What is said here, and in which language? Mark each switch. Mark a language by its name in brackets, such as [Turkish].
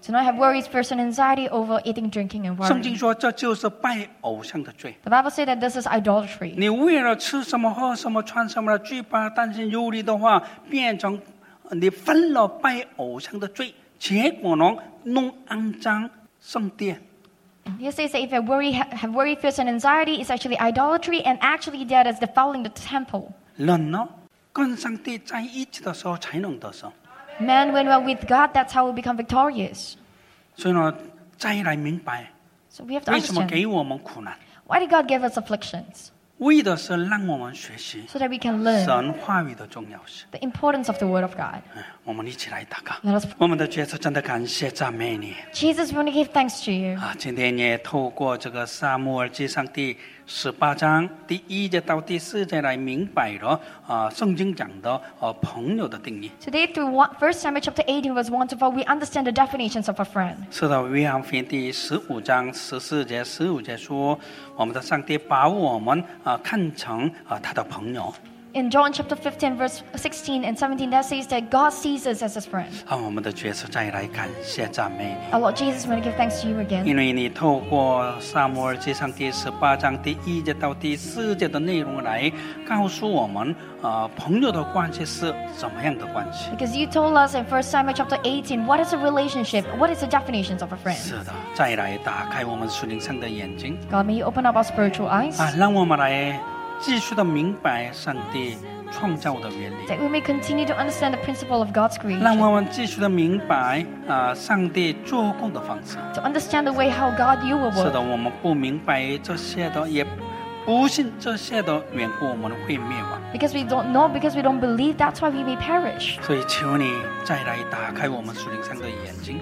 [English] Do not have worries, fears, and anxiety over eating, drinking, and worrying. [Chinese] 圣经说这就是拜偶像的罪. [English] The Bible says that this is idolatry. [Chinese] 你为了吃什么喝什么穿什么而惧怕担心忧虑的话，变成你犯了拜偶像的罪，结果呢，弄肮脏圣殿. [English] He says that if you have worry, fears, and anxiety, it's actually idolatry, and actually that is defiling the temple. [Chinese] 人呢? 跟上帝在一起的时候才能得胜。 [English] Man, when we're with God, that's how we become victorious. [Chinese] 所以呢，再来明白。 [English] So we have to understand. [Chinese] 为什么给我们苦难 [English] ？Why did God give us afflictions? [Chinese] 为的是让我们学习。 [English] So that we can learn. [Chinese] 神话语的重要性。 [English] The importance of the Word of God. [Chinese] 我们一起来祷告。 [English] Let us pray. [Chinese] 我们的主耶稣，真的感谢赞美你。 [English] Jesus, we want to give thanks to you. [Chinese] 啊，今天也透过这个撒母耳记上帝。十八章第一节到第四节来明白了、圣经讲的、朋友的定义。 [English] Today through First Samuel chapter 18 was wonderful. We understand the definitions of a friend. [Chinese] 是的，约翰福音第十五章十四节、十五节说，我们的上帝把我们、看成、他的朋友。 [English] In John chapter 15, verse 16 and 17, that says that God sees us as His friend. [Chinese] 让我们的角色再来感谢赞美你。 [English] Our Lord Jesus, we want to give thanks to you again. [Chinese] 因为你透过撒母耳记上第十八章第一节到第四节的内容来告诉我们，朋友的关系是怎么样的关系。 [English] Because you told us in First Samuel chapter 18, what is a relationship? What is the definitions of a friend? [Chinese] 是的，再来打开我们属灵上的眼睛。 [English] God, may you open up our spiritual eyes. [Chinese] 啊，让我们来。继续的明白上帝创造的原理。 [English] That we may continue to understand the principle of God's creation. [Chinese] 让我们继续的明白、上帝做工的方式。 [English] To understand the way how God you will work. [Chinese] 是的，我们不明白这些的，也不信这些的缘故，我们会灭亡。 [English] Because we don't know, because we don't believe, that's why we may perish. [Chinese] 所以求你再来打开我们属灵上的眼睛。